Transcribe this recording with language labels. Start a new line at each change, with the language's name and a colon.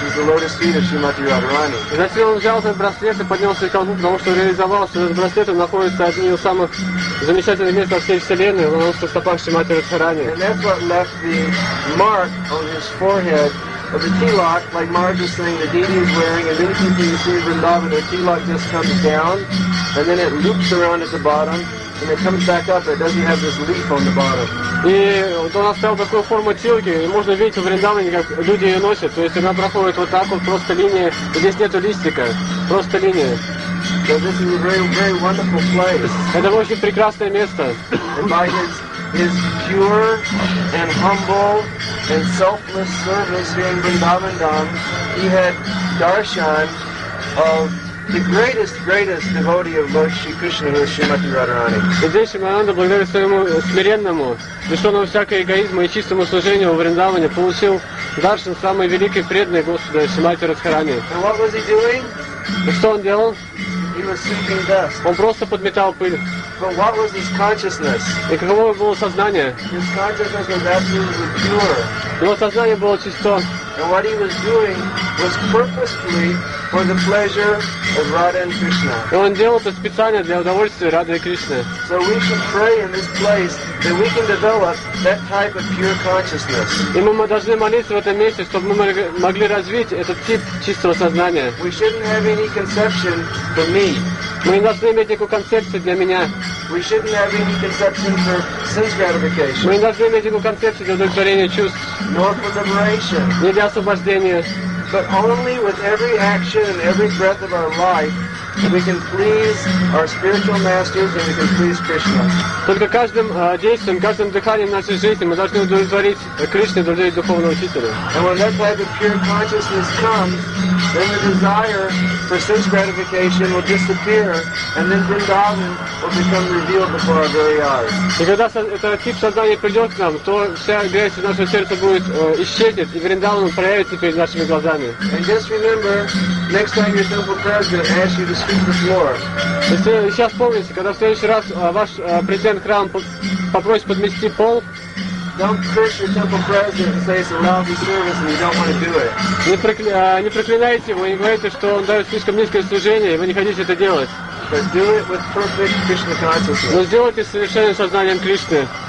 Russian: И затем он взял этот браслет и поднялся к колбу, потому что реализовал, что этот браслет находится одним из самых замечательных мест во всей Вселенной, он находится в стопах Шримати Радхарани.
English: Of the tilak, like Marj was saying, the deity is wearing, and then if you see Vrindavan, the tilak just comes down, and then it loops around at the bottom, and it comes back up, it doesn't have this leaf on the bottom.
Russian: И вот он оставил такую форму тилки, и можно видеть в Вриндаване, как люди ее носят, то есть она проходит вот так вот, просто линия, здесь нету листика, просто линия.
English: So this is a very, very wonderful place.
Russian: Это очень прекрасное место.
English: His pure and humble and selfless service here in Vrindavan Dham, he had darshan of the greatest, greatest devotee of Lord Shri Krishna, who is Srimati Radharani.
Russian: И здесь Шримананда, благодаря своему смиренному, лишенному всякого эгоизма и чистому служению в Вриндаване, получил даршан самой великой преданной Господа Шримати Радхарани.
English: And what was he doing?
Russian: И что он делал?
English: He was sweeping dust.
Russian: Он просто подметал пыль.
English: But what was his consciousness?
Russian: И каково было сознание?
English: His consciousness was absolutely pure.
Russian: Его сознание было чисто.
English: And what he was doing was purposefully for the pleasure of Radha and Krishna.
Russian: И он делал это специально для удовольствия Радхи и Кришны.
English: So we should pray in this place that we can develop that type of pure consciousness.
Russian: И мы должны молиться в этом месте, чтобы мы могли развить этот тип чистого сознания.
English: We shouldn't have any conception for me.
Russian: Мы не должны иметь никакую концепцию для меня.
English: We shouldn't have any conception for sense gratification.
Russian: Мы не должны иметь никакую концепцию для удовлетворения чувств.
English: Nor for liberation.
Russian: Не для освобождения.
English: But only with every action and every breath of our life we can please our spiritual masters and we can please Krishna.
Russian: Только каждым действием, каждым дыханием нашей жизни мы должны удовлетворить Кришне, удовлетворить духовного учителя.
English: And when that type of pure consciousness comes, then the desire for sense gratification will disappear, and then Vrindavan will become revealed before our very eyes.
Russian: И когда этот тип сознания придет к нам, то вся грязь из нашего сердца будет исчезнет, и Вриндаван проявится перед нашими глазами.
English: And just remember, next time your temple prayer is going to ask you to sweep the floor.
Russian: И сейчас помните, когда в следующий раз ваш президент храма попросит подмести пол.
English: Don't curse your temple president and say it's a lousy service and you don't want to do it.
Russian: Не проклинайте его и не говорите, что он дает слишком низкое служение, и вы не хотите это делать.
English: But do it with perfect Krishna consciousness.
Russian: Но сделайте совершенным сознанием Кришны.